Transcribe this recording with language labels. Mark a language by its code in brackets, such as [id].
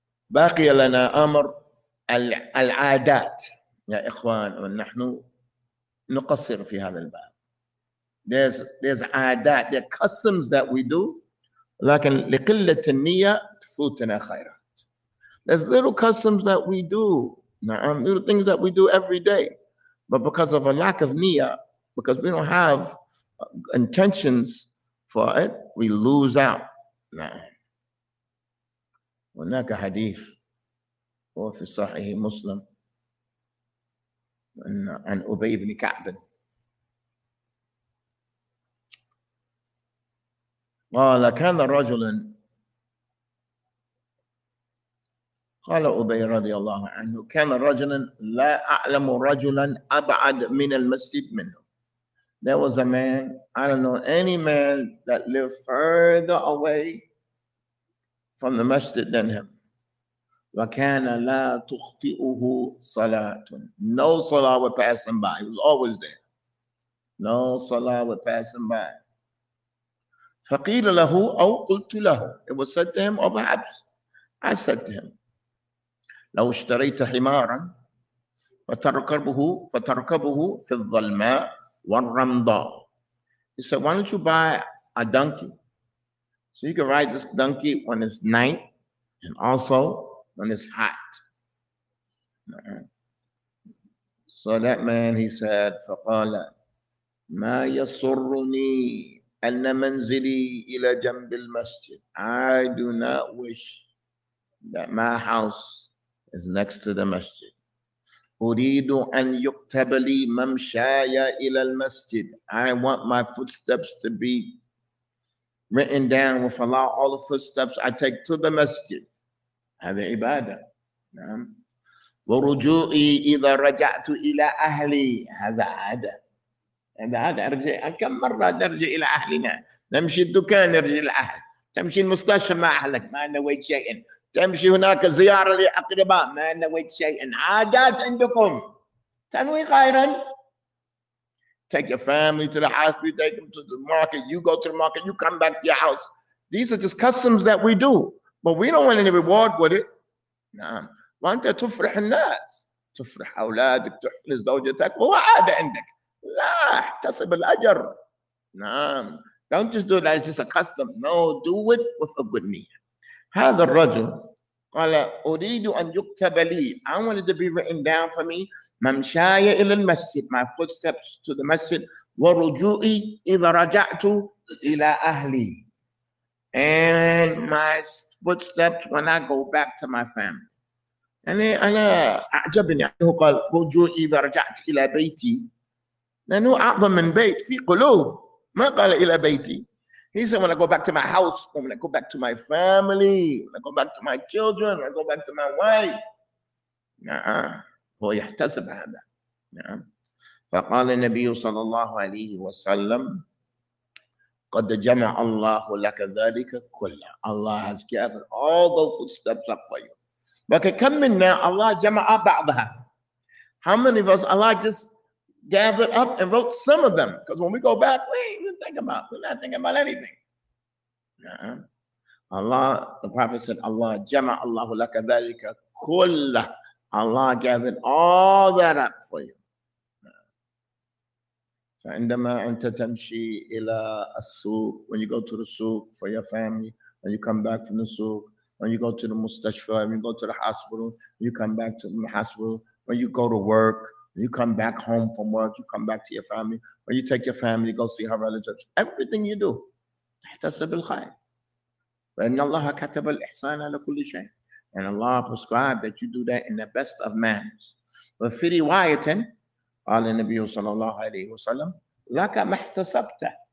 [ar] باقي لنا أمر العادات يا إخوان، ونحن نقصر في هذا الباب. [en] There's عادات، there are customs that we do، [ar] لكن لقلة النية تفوتنا خيرات. [en] There's little customs that we do، [ar] نعم، [en] little things that we do every day، but because of a lack of نية، because we don't have intentions for it، we lose out [ar] نعم. هناك حديث هو في صحيح مسلم عن أبي بن كعب قال كان رجلا، قال أبي رضي الله عنه كان رجلا لا أعلم رجلا أبعد من المسجد منه. [en] There was a man, I don't know any man that lived further away from the masjid than him. [ar] وَكَانَ لَا تُخْطِئُهُ صَلَاةٌ. [en] No salah were passing by. He was always there. No salah were passing by. [ar] فَقِيلَ لَهُ أَوْ قُلْتُ لَهُ. [en] It was said to him, [ar] or perhaps I said to him, لَوْ اشْتَرَيْتَ حِمَارًا فَتَرْكَبُهُ فِي الظَّلْمَاءِ وَالرَّمْضَاءِ. [en] He said, why don't you buy a donkey? So you can ride this donkey when it's night and also when it's hot. So that man, he said, [ar] فَقَالَ مَا يَصُرُّنِي أَنَّ مَنْزِلِي إِلَى جَنْبِ الْمَسْجِدِ. [en] I do not wish that my house is next to the masjid. [ar] أُرِيدُ أَنْ يُكْتَبَ لِي مَمْشَايَ إِلَى الْمَسْجِدِ. [en] I want my footsteps to be written down with Allah, all the footsteps I take to the masjid. [ar] هذا عبادة. نعم. ورجوعي إذا رجعت إلى أهلي. هذا عادة. هذا عادة. أرجع كم مرة أرجع إلى أهلنا؟ نمشي الدكان نرجع الأهل. تمشي المستشفى مع أهلك ما نويت شيئا. تمشي هناك زيارة لأقرباء ما نويت شيئا. عادات عندكم. تنوي خيرا. [en] Take your family to the hospital. Take them to the market. You go to the market. You come back to your house. These are just customs that we do. But we don't want any reward with it. [ar] نعم. وانت تفرح الناس. تفرح أولادك. تحفل زوجتك. هو عادة عندك. لا. احتسب الأجر. نعم. [en] Don't just do that. It's just a custom. No. Do it with a good knee. [ar] هذا الرجل قال أريد أن يكتب لي. [en] I want it to be written down for me. [ar] ممشاي إلى المسجد. [en] My footsteps to the masjid. [ar] ورجوعي إذا رجعت إلى أهلي. [en] And my footsteps when I go back to my family. [ar] يعني أنا أعجبني أنه قال رجوعي إذا رجعت إلى بيتي. لأنه أعظم من بيت في قلوب. ما قال إلى بيتي. [en] He said when I go back to my house, when I go back to my family, when I go back to my children, when I go back to my wife. [ar] نعم. هو يحتسب هذا. نعم. فقال النبي صلى الله عليه وسلم قد جمع الله لك ذلك كله. [en] Allah has gathered all those footsteps up for you. But [ar] كم منا [en] Allah [ar] جمع بعضها. [en] How many of us Allah just gathered up and wrote some of them? Because when we go back, we ain't thinking about, we're not thinking about anything. Yeah. Allah, the Prophet said, Allah [ar] جمع الله لك ذلك كله. [en] Allah gathered all that up for you. [ar] عندما أنت تمشي إلى السوق, [en] when you go to the souk for your family, when you come back from the souk, when you go to the mustashfa, when you go to the hospital, you come back to the hospital, when you go to work, when you come back home from work, you come back to your family, when you take your family, go see her relatives, everything you do, [ar] تحتسب الخير. فإن الله كتب الإحسان على كل شيء. [en] And Allah prescribed that you do that in the best of manners. [ar] وفي رواية قال النبي صلى الله عليه وسلم لك ما احتسبت.